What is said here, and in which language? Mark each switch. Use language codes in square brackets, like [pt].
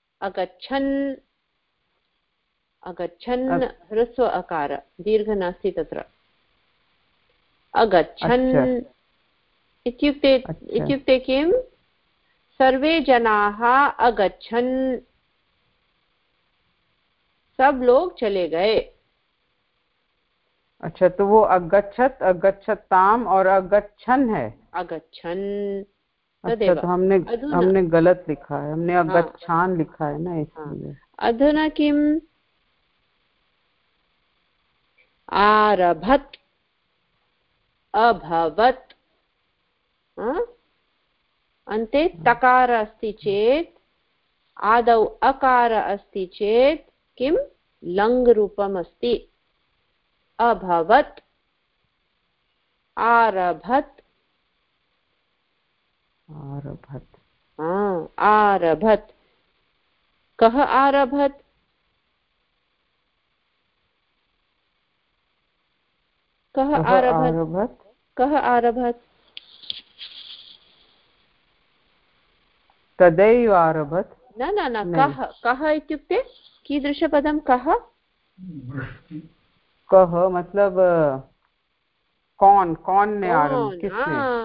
[sa] अगच्छन् अगच्छन् ह्रस्व अकार दीर्घ नास्ति तत्र अगच्छन् इत्युक्ते किं सर्वे जनाः अगच्छन् [hi] सब लोग चले गए अच्छा तो वो अगच्छत अगच्छताम और अगच्छन है [sa] अगच्छन [hi] अच्छा तो हमने हमने गलत लिखा है हमने अगच्छान लिखा है ना इसलिए [sa] अधुना किम आरभत अभवत अन्ते तकार अस्ति चेत् आदौ अकार अस्ति चेत् किं लङ्रूपम् अस्ति अभवत् आरभत आरभत आरभत कः आरभत कः आरभत कः आरभत तदैव आरभत न न न कः कः इत्युक्ते कीदृशपदं कः [hi] कः मतलब कौन कौन ने आरम्भ किसने